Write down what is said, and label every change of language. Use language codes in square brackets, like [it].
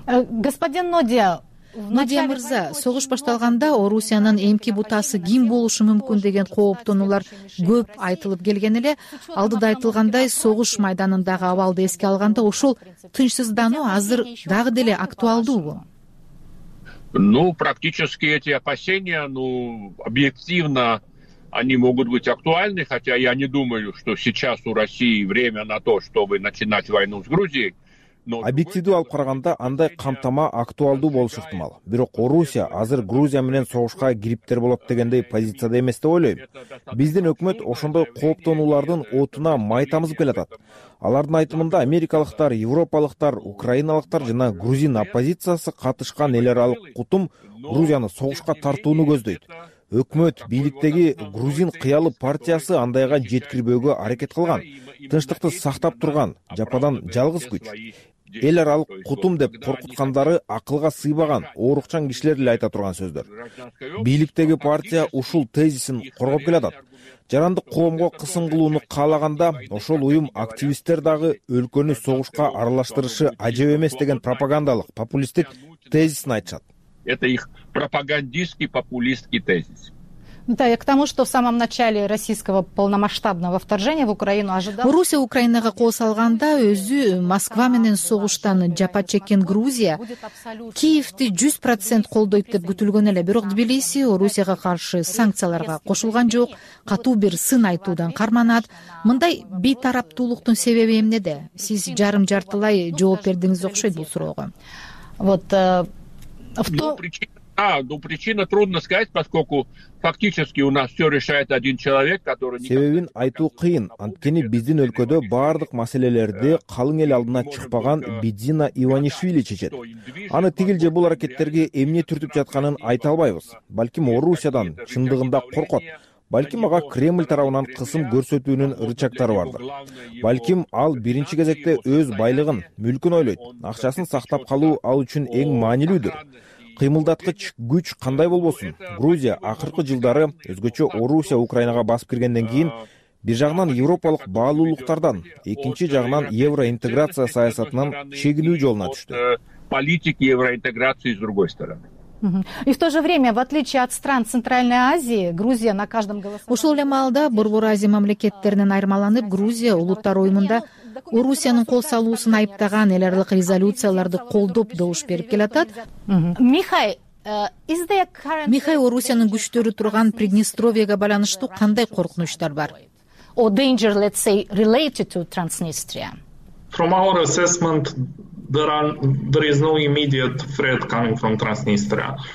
[ky] Господин Нодия, Надия мырза, согуш башталганда Орусиянын эмки бутасы ким болушу мүмкүн деген кооптонуулар көп айтылып келген эле. Алдыда айтылгандай, согуш майданындагы абалды эске алганда ушул тынчсыздануу азыр дагы деле актуалдуубу? [ru] Ну, практически эти опасения, ну, объективно они могут быть актуальны, хотя я не думаю, что сейчас у России время на то, чтобы начинать войну с Грузией. [ky] Объективдүү алып караганда андай камтама актуалдуу болушу ыктымал. Бирок Орусия азыр Грузия менен согушка кириптер болот дегендей позицияда эмес деп ойлойм. Биздин өкмөт ошондой кооптонуулардын отуна май тамызып келатат. Алардын айтымында америкалыктар, европалыктар, украиналыктар жана грузин оппозициясы катышкан эл аралык кутум Грузияны согушка тартууну көздөйт. Өкмөт бийликтеги грузин кыялы партиясы андайга жеткирбөөгө аракет кылган, тынчтыкты сактап турган жападан жалгыз күч. Эл аралык кутум деп коркуткандары акылга сыйбаган, оорукчан кишилер эле айта турган сөздөр. Бийликтеги партия ушул тезисин коргоп келатат. Жарандык коомго кысым кылууну каалаганда ошол уюм активисттер дагы өлкөнү согушка аралаштырышы ажеп эмес деген пропагандалык, популисттик тезисин айтышат. [ru] Это их пропагандистский, популистский тезис. Да, я к тому, что в самом начале российского полномасштабного вторжения в Украину ожидалось... [ky] Русия Украинага кол салганда өзү Москва менен согуштан жапа чеккен Грузия Киевти 100% колдойт деп күтүлгөн эле. Бирок Тбилиси Русияга каршы санкцияларга кошулган жок, катуу бир сын айтуудан карманат. Мындай бейтараптуулуктун себеби эмнеде? Сиз жарым-жартылай жооп бердиңиз окшойт бул суроого. [ru] Вот... Причина трудно сказать, поскольку фактически у нас все решает один человек, который... [ky] Себебин айтуу кыйын, анткени биздин өлкөдө бардык маселелерди калың эл алдына чыкпаган Бидзина Иванишвили чечет. Аны тигил же бул аракеттерге эмне түртүп жатканын айта албайбыз. Балким Орусиядан чындыгында коркот. Балким ага Кремль тарабынан кысым көрсөтүүнүн рычагтары бардыр. Балким ал биринчи кезекте өз байлыгын, мүлкүн ойлойт. Акчасын сактап калуу ал үчүн эң маанилүүдүр. кыймылдаткыч күч кандай болбосун, Грузия акыркы жылдары өзгөчө Орусия Украинага басып киргенден кийин бир жагынан европалык баалуулуктардан, экинчи жагынан евроинтеграция саясатынан чегинүү жолуна түштү. [ru] Политики евроинтеграции с другой стороны. И в то же время, в отличие от стран Центральной Азии, Грузия на каждом голосовании... [ky] Ушул эле маалда Борбор Азия мамлекеттеринен айырмаланып, Грузия улуттар уюмунда Орусиянын кол салуусун айыптаган эл аралык резолюцияларды колдоп добуш берип келатат. Михай, Орусиянын күчтөрү турган Приднестровьега байланыштуу кандай коркунучтар бар? [en] Or danger, let's say, related to Transnistria. From our assessment, there is no immediate threat coming from Transnistria.